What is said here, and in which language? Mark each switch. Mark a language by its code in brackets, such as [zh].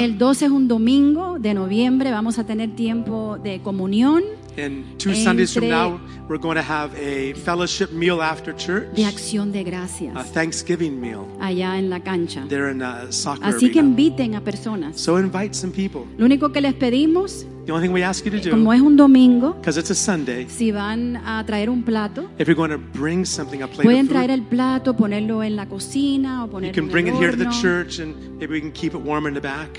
[es] El 12 es un domingo de noviembre, vamos a tener tiempo de comunión. [en] And two entre Sundays from now, we're going to have a fellowship meal after church. [es] De acción de gracias. [en] A Thanksgiving meal. [es] Allá en la cancha. [en] There in a soccer [es] así [en] arena. [es] Que inviten a personas. [en] So invite some people. [es] Lo único que les pedimos, [en] the only thing we ask you to do, [es] como es un domingo, [en] because it's a Sunday, [es] si van a traer un plato, [en] if you're going to bring something, a plate of food, [es] pueden traer el plato, ponerlo en la cocina, o ponerlo [en] you can bring [es] en el [en] it [es] horno. [en] Here to the church and maybe we can keep it warm in the back.